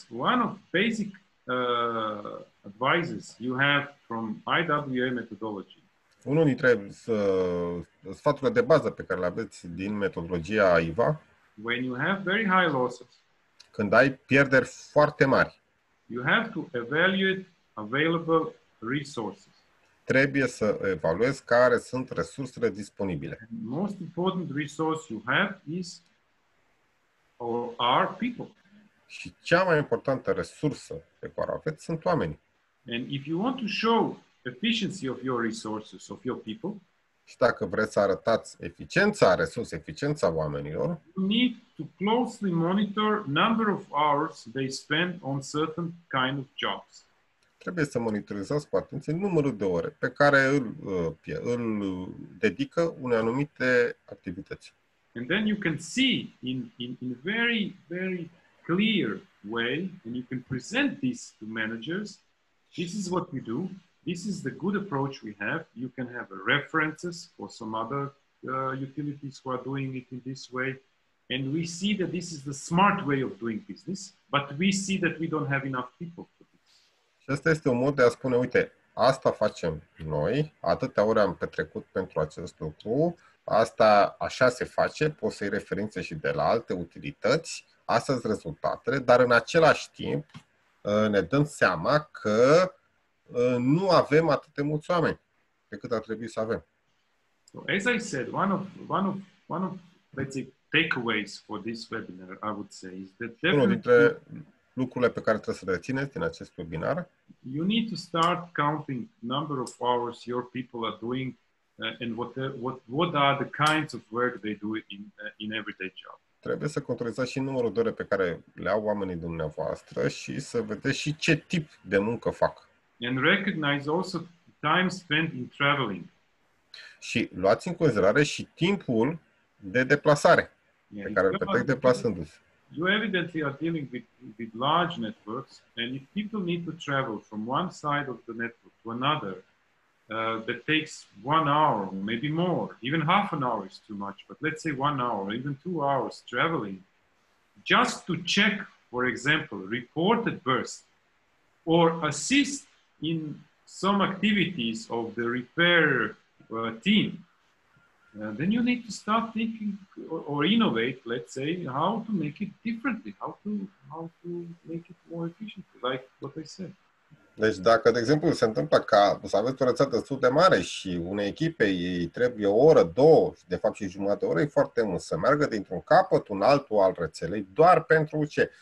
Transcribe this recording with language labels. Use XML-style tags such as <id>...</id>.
<en>One of basic advices you have from IWA methodology.</en> <ro>Unul dintre sfaturile de bază pe care le aveți din metodologia IWA.</ro> <en>When you have very high losses.</en> <ro>Când ai pierderi foarte mari.</ro> <en>You have to evaluate available resources.</en> <ro>Trebuie să evaluezi care sunt resursele disponibile.</ro> <en>The most important resource you have is or are people.</en> <ro>Și cea mai importantă resursă pe care o aveți sunt oamenii.</ro> <en>And if you want to show efficiency of your resources, of your people,</en> <ro>și dacă vreți să arătați eficiența resurs, eficiența oamenilor,</ro> <en>you need to closely monitor number of hours they spend on certain kind of jobs.</en> <ro>Trebuie să monitorizați cu atenție numărul de ore pe care îl dedică unei anumite activități.</ro> <en>And then you can see in very very clear way, and you can present this to managers. This is what we do. This is the good approach we have. You can have references for some other utilities who are doing it in this way. And we see that this is the smart way of doing business, but we see that we don't have enough people for this.</en> <ro>Și asta este un mod de a spune, uite, asta facem noi, atâtea ore am petrecut pentru acest lucru, asta așa se face, poți să-i referințe și de la alte utilități, astea sunt rezultatele, dar în același timp ne dăm seama că nu avem atât de mulți oameni pe cât ar trebui să avem.</ro> <en>So, as I said, one of let's say takeaways for this webinar, I would say, is that definitely</en> <ro>unul dintre lucrurile pe care trebuie să le țineți din acest webinar.</ro> <en>You need to start counting number of hours your people are doing and what are the kinds of work they do in everyday job.</en> <ro>Trebuie să controlizați și numărul de ore pe care le au oamenii dumneavoastră și să vedeți și ce tip de muncă fac.</ro> <en>And recognize also time spent in traveling.</en> <ro>Și luați în considerare și timpul de deplasare pe care îl petrec deplasându-se.</ro> <en>You evidently are dealing with large networks, and if people need to travel from one side of the network to another, that takes 1 hour, maybe more, even half an hour is too much, but let's say 1 hour, even 2 hours traveling, just to check, for example, reported bursts, or assist in some activities of the repair team, then you need to start thinking or innovate, let's say, how to make it differently, how to make it more efficient, like what I said.</en> <ro>Deci dacă, de exemplu, se întâmplă ca să aveți o rețetă destul de mare și unei echipe îi trebuie o oră, două, de fapt și jumătate de oră, e foarte mult să meargă dintr-un capăt un altul al rețelei, doar pentru ce?</ro>